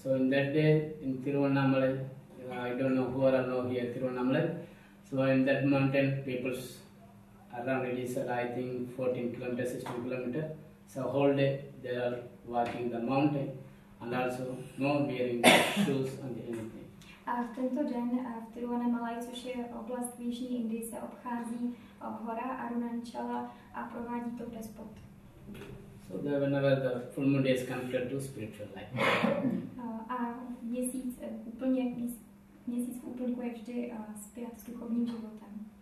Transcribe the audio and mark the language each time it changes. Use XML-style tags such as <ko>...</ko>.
<en>So in that day, in Thiruvannamalai, I don't know who are now here, Thiruvannamalai. So in that mountain, people around it is, I think, 14 kilometers, 16 kilometers. So whole day, they are walking the mountain and also no wearing shoes and anything.</en> <cs>A v tento den v Thiruvannamalai, což je oblast v jižní Indii, se obchází hora Arunachala a provádí to bez pod.</cs> <en>So there whenever the full moon day is connected to spiritual life.</en> <cs>A měsíc úplně měsíc v úplňku je vždy spjat s duchovním životem.</cs>